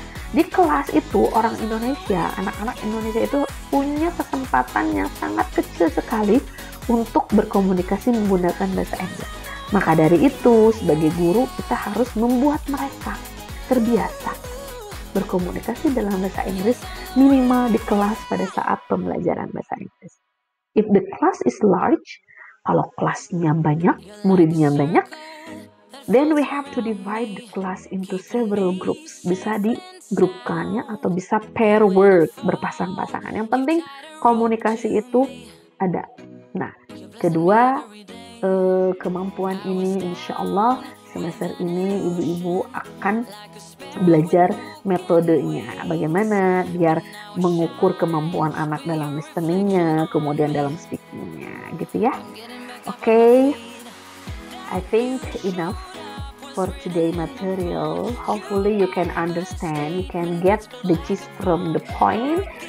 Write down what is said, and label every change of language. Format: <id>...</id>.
<id>Di kelas itu, orang Indonesia, anak-anak Indonesia itu punya kesempatan yang sangat kecil sekali untuk berkomunikasi menggunakan bahasa Inggris. Maka dari itu, sebagai guru, kita harus membuat mereka terbiasa berkomunikasi dalam bahasa Inggris minimal di kelas pada saat pembelajaran bahasa Inggris.</id> <en>If the class is large,</en> <id>kalau kelasnya banyak, muridnya banyak,</id> <en>then we have to divide the class into several groups.</en> <id>Bisa digrupkannya atau bisa pair work, berpasang-pasangan. Yang penting komunikasi itu ada. Nah, kedua, kemampuan ini insya Allah semester ini ibu-ibu akan belajar metodenya. Bagaimana biar mengukur kemampuan anak dalam listeningnya, kemudian dalam speakingnya, gitu ya.</id> <en>Oke, okay. I think enough for today material. Hopefully you can understand, you can get the gist from the point.</en>